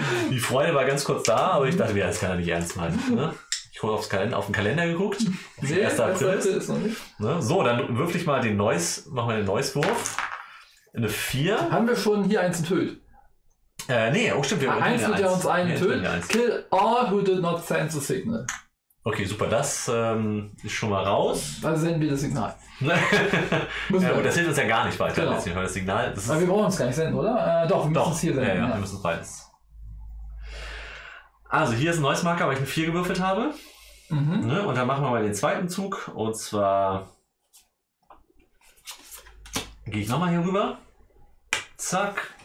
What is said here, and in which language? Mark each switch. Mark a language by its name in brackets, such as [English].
[German] Die Freude war ganz kurz da, aber ich dachte, ja, das kann er nicht ernst meinen. Ne? Ich habe auf den Kalender geguckt. Nee, 1. April. Ist noch nicht. Ne? So, dann würfel ich mal den Neues, machen wir den Neues-Wurf. Eine 4. Haben wir schon hier eins enthüllt? Nee, auch stimmt. Wir haben eins wird ja uns einen enthüllt. [English] Kill all who did not send the signal. [German] Okay, super. Das ist schon mal raus. Also senden wir das Signal. Ja, gut, das hilft uns ja gar nicht weiter. Genau. Das Signal, das ist, aber wir brauchen es gar nicht senden, oder? Doch, wir müssen es hier senden. Ja, ja, wir müssen es beides. Also hier ist ein neues Marker, weil ich eine 4 gewürfelt habe. Mhm. Ne? Und dann machen wir mal den zweiten Zug. Und zwar gehe ich nochmal hier rüber. Zack.